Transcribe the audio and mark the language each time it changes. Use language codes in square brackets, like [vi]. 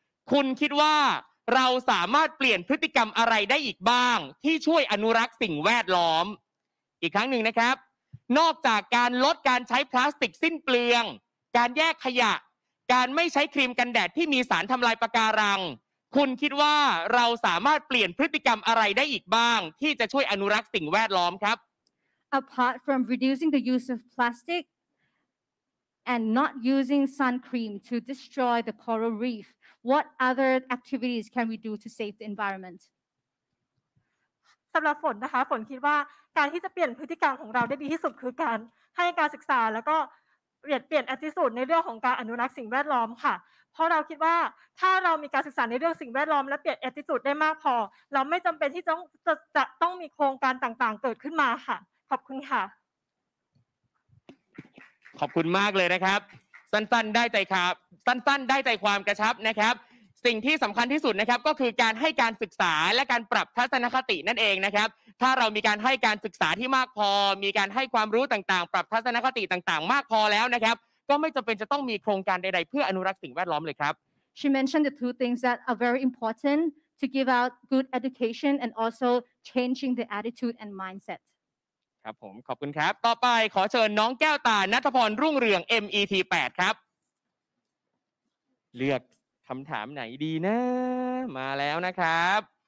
[th] คุณคิดว่าเราสามารถเปลี่ยนพฤติกรรมอะไรได้อีกบ้างที่ช่วยอนุรักษ์สิ่งแวดล้อมอีกครั้งนึงนะครับนอกจากการลดการใช้พลาสติกสิ้นเปลืองการแยกขยะการไม่ใช้ครีมกันแดดที่มีสารทำลายปะการังคุณคิดว่าเราสามารถเปลี่ยนพฤติกรรมอะไรได้อีกบ้างที่จะช่วยอนุรักษ์สิ่งแวดล้อมครับ [en] apart from reducing the use of plasticand not using sun cream to destroy the coral reef, what other activities can we do to save the environment? [th] สำหรับฝนนะคะฝนคิดว่าการที่จะเปลี่ยนพฤติกรรมของเราได้ดีที่สุดคือการให้การศึกษาแล้วก็เปลี่ยนแอททิทูดในเรื่องของการอนุรักษ์สิ่งแวดล้อมค่ะเพราะเราคิดว่าถ้าเรามีการศึกษาในเรื่องสิ่งแวดล้อมและเปลี่ยนแอททิทูดได้มากพอเราไม่จำเป็นที่จะต้องมีโครงการต่างๆเกิดขึ้นมาค่ะขอบคุณค่ะ ขอบคุณมากเลยนะครับสั้นๆได้ใจครับสั้นๆได้ใจความกระชับนะครับสิ่งที่สำคัญที่สุดนะครับก็คือการให้การศึกษาและการปรับทัศนคตินั่นเองนะครับถ้าเรามีการให้การศึกษาที่มากพอมีการให้ความรู้ต่างๆปรับทัศนคติต่างๆมากพอแล้วนะครับก็ไม่จำเป็นจะต้องมีโครงการใดๆเพื่ออนุรักษ์สิ่งแวดล้อมเลยครับ [en] She mentioned the two things that are very important to give out good education and also changing the attitude and mindset [th] ครับผมขอบคุณครับต่อไปขอเชิญน้องแก้วตาณัฐพรรุ่งเรือง MET 8ครับเลือกคำถามไหนดีนะมาแล้วนะครับ